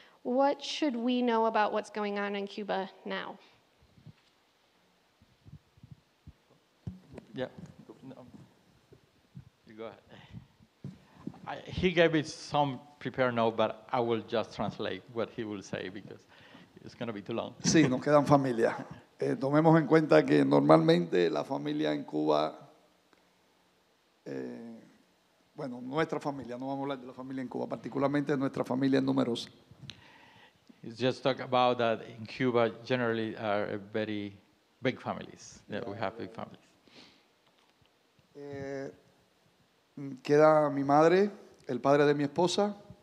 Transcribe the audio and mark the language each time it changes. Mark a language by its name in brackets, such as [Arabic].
[English] What should we know about what's going on in Cuba now? Yeah. No. You go ahead. He gave it some prepared note, but I will just translate what he will say because it's going to be too long. [Spanish] Sí, nos quedan familia. Tomemos en cuenta que normalmente la familia en Cuba, bueno, nuestra familia, no vamos a hablar de la familia en Cuba, particularmente nuestra familia numerosa. [English] It's just talk about that in Cuba generally are very big families. Yeah, we have big families. [Spanish] Queda mi madre, el padre de mi esposa.